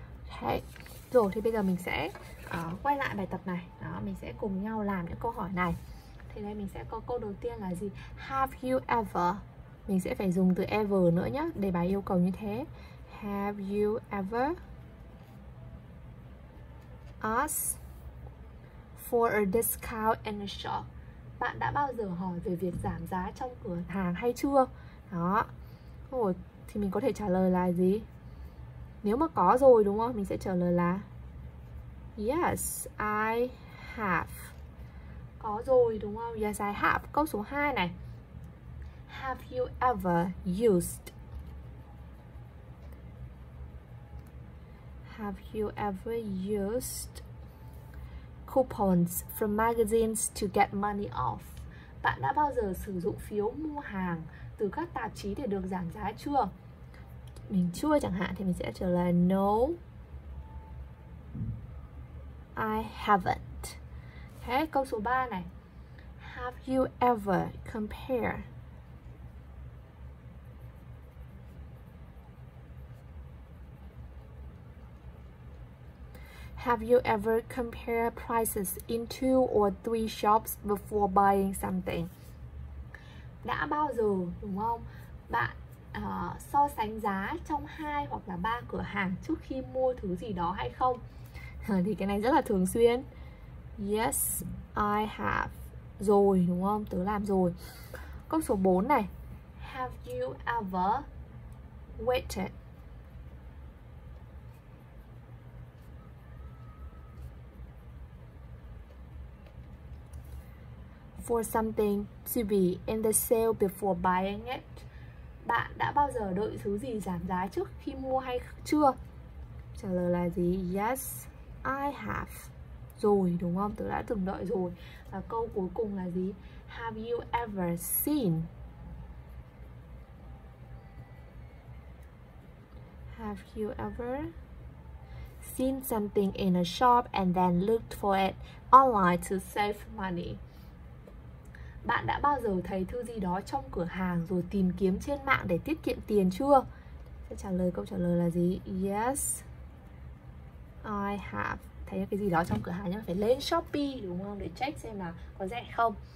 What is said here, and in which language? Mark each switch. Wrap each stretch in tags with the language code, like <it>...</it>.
<vi>Okay. Rồi thì bây giờ mình sẽ quay lại bài tập này. Đó, mình sẽ cùng nhau làm những câu hỏi này. Thì đây mình sẽ có câu đầu tiên là gì?</vi> <en>Have you ever?</en> <vi>Mình sẽ phải dùng từ ever nữa nhé, để bài yêu cầu như thế.</vi> <en>Have you ever asked for a discount in a shop?</en> <vi>Bạn đã bao giờ hỏi về việc giảm giá trong cửa hàng hay chưa? Đó. Rồi, thì mình có thể trả lời là gì? Nếu mà có rồi đúng không? Mình sẽ trả lời là</vi> <en>yes, I have.</en> <vi>Có rồi đúng không?</vi> <en>Yes, I have.</en> <vi>Câu số 2 này.</vi> <en>Have you ever used? Have you ever used coupons from magazines to get money off?</en> <vi>Bạn đã bao giờ sử dụng phiếu mua hàng từ các tạp chí để được giảm giá chưa? Mình chưa chẳng hạn thì mình sẽ trả lời</vi> <en>no, I haven't.</en> <vi>Thế câu số 3 này.</vi> <en>Have you ever compared Have you ever compared prices in two or three shops before buying something?</en> <vi>Đã bao giờ đúng không? Bạn so sánh giá trong hai hoặc là ba cửa hàng trước khi mua thứ gì đó hay không? Thì cái này rất là thường xuyên.</vi> <en>Yes, I have.</en> <vi>Rồi đúng không? Tớ làm rồi. Câu số 4 này.</vi> <en>Have you ever waited? For something to be in the sale before buying it.</en> <vi>Bạn đã bao giờ đợi thứ gì giảm giá trước khi mua hay chưa? Trả lời là gì?</vi> <en>Yes, I have.</en> <vi>Rồi đúng không? Tớ đã từng đợi rồi. Và câu cuối cùng là gì?</vi> <en>Have you ever seen? Have you ever seen something in a shop and then looked for it online to save money?</en> <vi>Bạn đã bao giờ thấy thứ gì đó trong cửa hàng rồi tìm kiếm trên mạng để tiết kiệm tiền chưa? Sẽ trả lời câu trả lời là gì?</vi> <en>Yes, I have.</en> <vi>Thấy cái gì đó trong cửa hàng nhưng mà phải lên Shopee đúng không? Để check xem là có rẻ không.</vi>